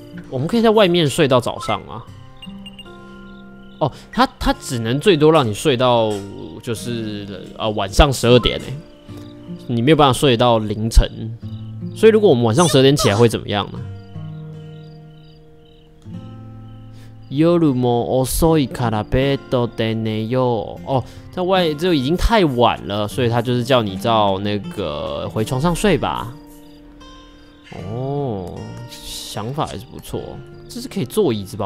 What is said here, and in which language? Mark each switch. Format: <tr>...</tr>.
<zh>我们可以在外面睡到早上吗？哦，他只能最多让你睡到就是晚上12点哎，你没有办法睡到凌晨，所以如果我们晚上十二点起来会怎么样呢？</zh> <ja>夜も遅いからベッドで寝よう。</ja> <zh>哦，在外就已经太晚了，所以他就是叫你到那个回床上睡吧。哦，想法还是不错。这是可以坐椅子吧？</zh>